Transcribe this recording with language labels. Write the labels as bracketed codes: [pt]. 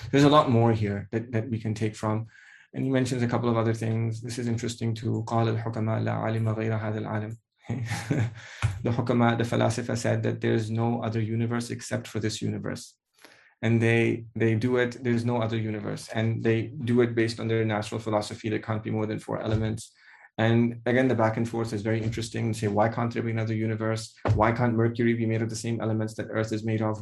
[en] There's a lot more here that we can take from. And he mentions a couple of other things. This is interesting too. [ar] قال الحكماء لا علم غير هذا العالم. [en] The hukama, the philosopher, said that there is no other universe except for this universe. and they do it. There's no other universe, and they do it based on their natural philosophy. There can't be more than four elements. And again, the back and forth is very interesting. Say, why can't there be another universe? Why can't Mercury be made of the same elements that Earth is made of?